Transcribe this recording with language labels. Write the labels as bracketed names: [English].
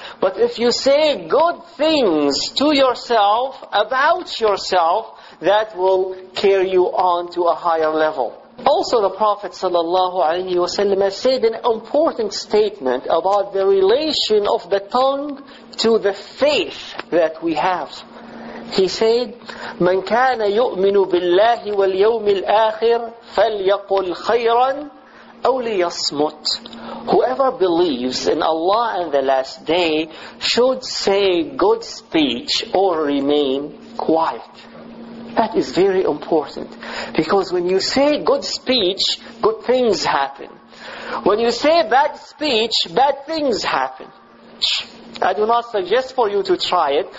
[English] But if you say good things to yourself, about yourself, that will carry you on to a higher level. Also, the Prophet ﷺ said an important statement about the relation of the tongue to the faith that we have. He said, [Arabic] "من كان يؤمن بالله واليوم الآخر فليقل خيراً أو ليصمت." [English] Whoever believes in Allah and the last day should say good speech or remain quiet. That is very important. Because when you say good speech, good things happen. When you say bad speech, bad things happen. I do not suggest for you to try it.